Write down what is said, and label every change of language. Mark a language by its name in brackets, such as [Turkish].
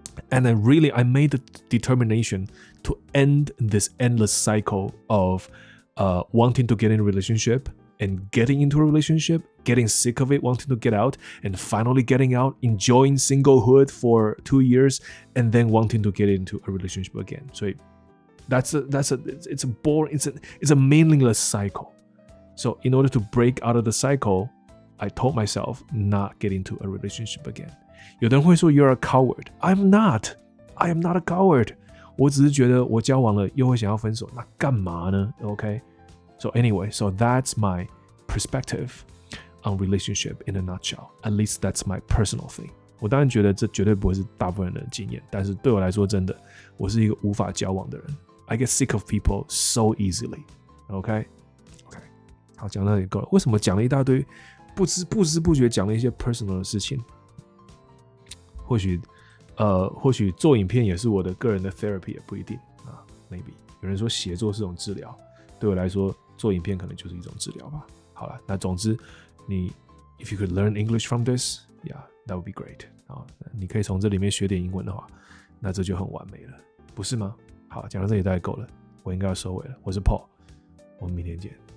[English] And then really, I made the determination to end this endless cycle of wanting to get in a relationship and getting into a relationship, getting sick of it, wanting to get out, and finally getting out, enjoying singlehood for 2 years, and then wanting to get into a relationship again. So it's a meaningless cycle. So in order to break out of the cycle, I told myself not get into a relationship again. [Chinese] 有的人会说 [English] you're a coward. I'm not. I am not a coward. [Chinese] 我只是觉得我交往了又会想要分手，那干嘛呢？ [English] Okay. So anyway, so that's my perspective on relationship in a nutshell. At least that's my personal thing. [Chinese] 我当然觉得这绝对不会是大部分人的经验，但是对我来说，真的，我是一个无法交往的人。 [English] I get sick of people so easily. Okay. Okay. [Chinese] 好，讲到这里够了。为什么讲了一大堆，不知不觉讲了一些 personal 的事情？或许做影片也是我的个人的 therapy， 也不一定啊。 Maybe 有人说写作是一种治疗，对我来说，做影片可能就是一种治疗吧。好了，那总之，你 [English] if you could learn English from this， yeah， that would be great。 [Chinese] 你可以从这里面学点英文的话，那这就很完美了，不是吗？好，讲到这里大概够了，我应该要收尾了。我是 Paul， 我们明天见。